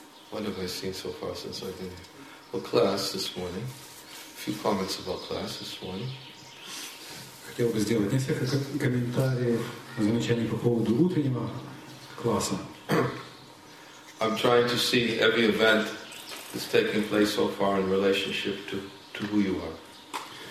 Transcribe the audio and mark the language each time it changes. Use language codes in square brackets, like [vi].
[en] What have I seen so far since I've been here? Well, class this morning. A few comments about class this morning. [ru] Хотел бы сделать несколько комментариев, замечаний по поводу утреннего класса. [en] I'm trying to see every event that's taking place so far in relationship to who you are.